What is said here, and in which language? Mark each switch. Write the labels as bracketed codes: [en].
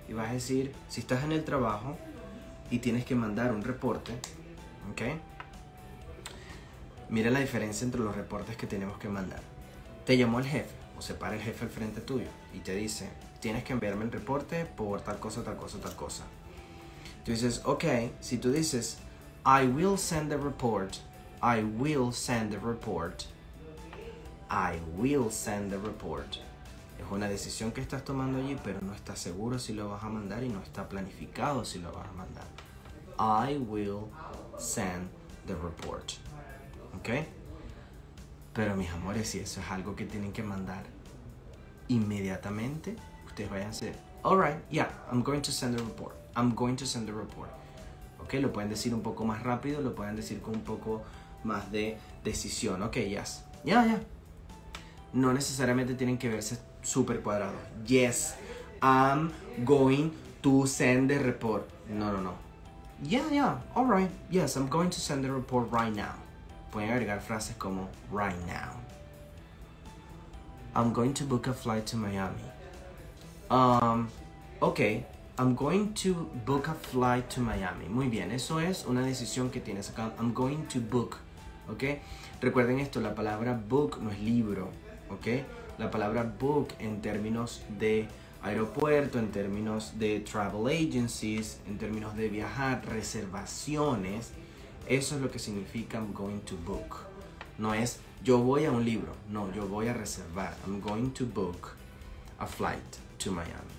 [es] Y vas a decir, si estás en el trabajo y tienes que mandar un reporte, ¿ok? Mira la diferencia entre los reportes que tenemos que mandar. Te llamó el jefe, o se para el jefe al frente tuyo y te dice, tienes que enviarme el reporte por tal cosa, tal cosa, tal cosa. Tú dices, ok, si tú dices, [en] I will send the report, I will send the report, I will send the report. [es] Es una decisión que estás tomando allí, pero no estás seguro si lo vas a mandar y no está planificado si lo vas a mandar. [en] I will send the report. ¿Ok? [es] Pero mis amores, si eso es algo que tienen que mandar inmediatamente, ustedes vayan a decir, [en] alright, yeah, I'm going to send the report. I'm going to send the report. ¿Ok? [es] Lo pueden decir un poco más rápido, lo pueden decir con un poco más de decisión. Ok, yes. Yeah, yeah. No necesariamente tienen que verse super cuadrado. [en] Yes, I'm going to send the report. No, no, no. Yeah, yeah, alright. Yes, I'm going to send the report right now. [es] Pueden agregar frases como [en] right now. I'm going to book a flight to Miami. Okay, I'm going to book a flight to Miami. [es] Muy bien, eso es una decisión que tienes acá. [en] I'm going to book. [es] Okay, recuerden esto, la palabra book no es libro. Okay. La palabra book en términos de aeropuerto, en términos de travel agencies, en términos de viajar, reservaciones, eso es lo que significa [en] I'm going to book. [es] No es yo voy a un libro, no, yo voy a reservar. [en] I'm going to book a flight to Miami.